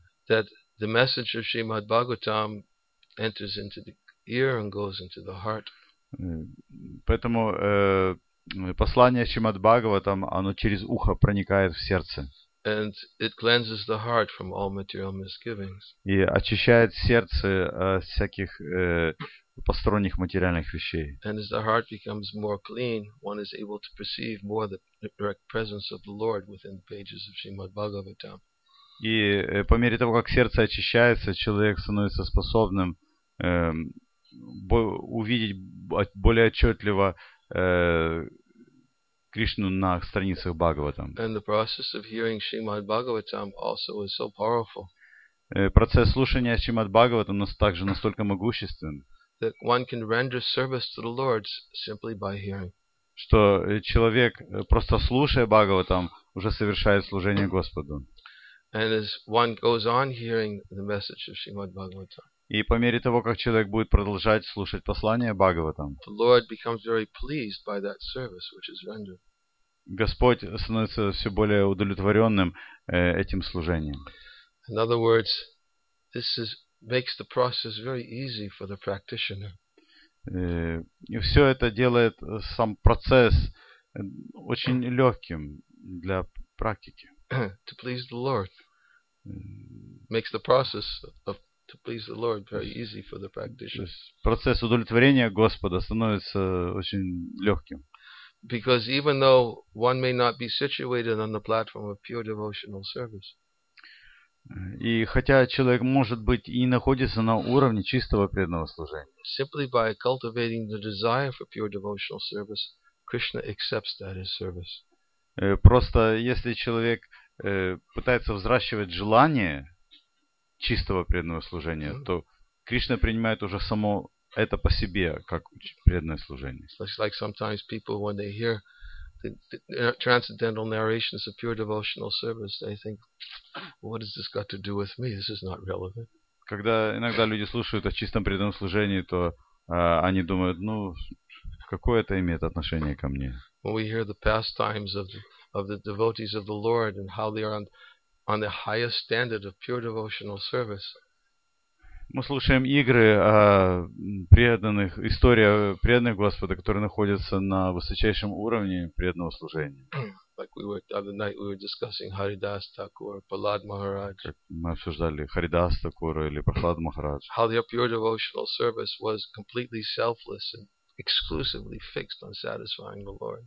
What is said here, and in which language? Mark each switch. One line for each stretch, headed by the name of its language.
English: that the message of Shrimad Bhagavatam enters into the ear and goes into the heart.
Russian: Поэтому послание Шримад Бхагаватам, оно через ухо проникает в сердце.
English: And it cleanses the heart from all material misgivings.
Russian: И очищает сердце от всяких посторонних материальных вещей.
English: And as the heart becomes more clean, one is able to perceive more the direct presence of the Lord within the pages of Shrimad Bhagavatam.
Russian: И по мере того, как сердце очищается, человек становится способным увидеть более отчетливо Кришну на страницах Бхагаватам.
English: And the process of hearing Shrimad Bhagavatam also is so powerful.
Russian: Процесс слушания Шримад Бхагаватам у нас также настолько могуществен,
English: that one can render service to the Lord simply by hearing.
Russian: Что человек, просто слушая Бхагаватам, уже совершает служение Господу.
English: And as one goes on hearing the message of Shrimad Bhagavatam,
Russian: и по мере того, как человек будет продолжать слушать послание Бхагаватам,
English: the Lord becomes very pleased by that service which is rendered.
Russian: Господь становится все более удовлетворенным этим служением.
English: In other words, this is makes the process very easy for the practitioner.
Russian: И все это делает сам процесс очень легким для практики.
English: To please the Lord makes the process of to please the Lord very easy for the practitioner.
Russian: Процесс удовлетворения Господа становится очень легким.
English: Because even though one may not be situated on the platform of pure devotional service.
Russian: И хотя человек может быть и находится на уровне чистого преданного служения,
English: simply by cultivating the desire for pure devotional service, Krishna accepts that as service.
Russian: Просто если человек пытается взращивать желание чистого преданного служения, то Кришна принимает уже само это по себе как преданное служение.
English: It's like sometimes people, when they hear transcendental narrations of pure devotional service, they think, what has this got to do with me? This is not relevant.
Russian: Когда иногда люди слушают о чистом преданном служении, то они думают, ну, какое это имеет отношение ко мне?
English: When we hear the pastimes of the devotees of the Lord and how they are on the highest standard of pure devotional service.
Russian: Мы слушаем игры о преданных, история преданных Господа, которые находятся на высочайшем уровне преданного служения.
English: Like we were, the other night we were discussing Haridas Thakur, Prahlad Maharaj.
Russian: Мы обсуждали Харидас Такур или Прахлад Махарадж.
English: How their pure devotional service was completely selfless and exclusively fixed on satisfying the Lord.